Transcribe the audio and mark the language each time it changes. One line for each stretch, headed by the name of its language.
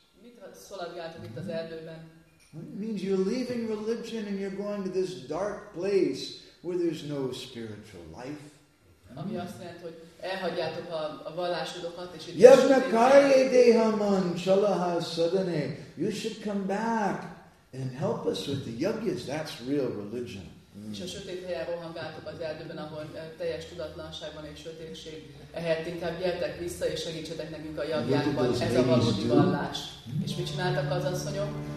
Hungarian: Mit szaladgáltok itt az erdőben?
English: It means you're leaving religion and you're going to this dark place where there's no spiritual life.
Hungarian: Ami azt jelenti, hogy elhagyjátok a vallásodokat, és
Bangla: így... Yavna kaye dehaman chalaha sadane.
English: You should come back and help us with the yagyas. That's real religion.
Hungarian: És a sötét helyen rohangáltok az erdőben, ahol teljes tudatlanságban és sötétség ehelyett inkább gyertek vissza, és segítsetek nekünk a jagjákban. Ez a valódi vallás. És mit csináltak az asszonyok?